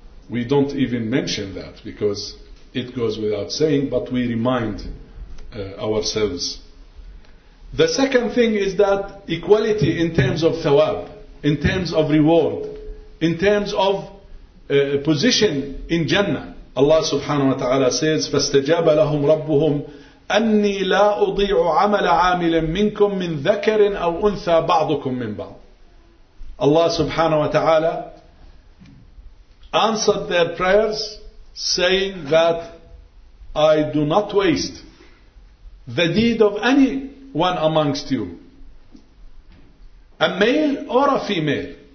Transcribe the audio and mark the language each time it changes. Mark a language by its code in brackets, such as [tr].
[en] We don't even mention that because it goes without saying, but we remind ourselves. The second thing is that equality in terms of thawab, in terms of reward, in terms of position in Jannah. Allah subhanahu wa ta'ala says, [ar] فَاسْتَجَابَ لَهُمْ رَبُّهُمْ أَنِّي لَا أُضِيعُ عَمَلَ عَامِلٍ مِّنْكُمْ مِّنْ ذَكَرٍ أَوْ أُنْثَى بَعْضُكُمْ مِّنْ بَعْضٍ. [en] Allah subhanahu wa ta'ala answered their prayers saying that I do not waste the deed of any one amongst you, a male or a female.